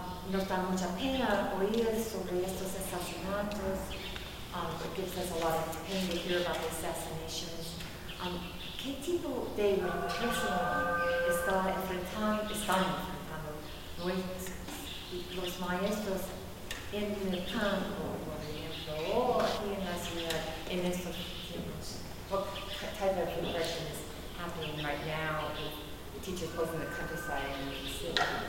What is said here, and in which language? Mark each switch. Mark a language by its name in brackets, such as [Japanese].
[Spanish] Nos da mucha pena oír sobre estos asesinatos. [English] It gives us a lot of pain to hear about the assassinations. [Spanish] ¿Qué tipo de represión están enfrentando los maestros en el campo, por ejemplo, o aquí en la ciudad, en estos tiempos? [English] What type of repression is happening right now with teachers both in the countryside and in the city?